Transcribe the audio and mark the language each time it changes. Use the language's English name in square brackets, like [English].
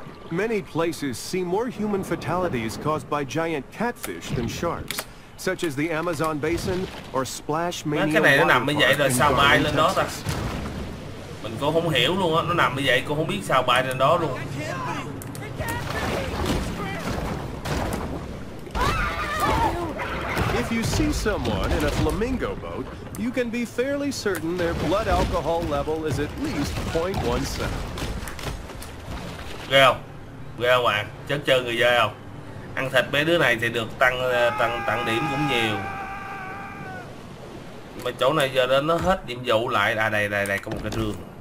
[English] Many places see more human fatalities caused by giant catfish than sharks, such as the Amazon basin or Splash Mania. [Vietnamese] Cái này nó nằm như vậy rồi sao bay lên đó ta? Mình cũng không hiểu luôn á, nó nằm như vậy cũng không biết sao bay lên đó luôn. [English] If you see someone in a flamingo boat, you can be fairly certain their blood alcohol level is at least 0.17. [Vietnamese] Ghê không? Ghê không bạn? Chết chơi người dơ không? Ăn thịt mấy đứa này thì được tăng điểm cũng nhiều. Mà chỗ này giờ đó nó hết nhiệm vụ lại. À đây, đây có một cái rương.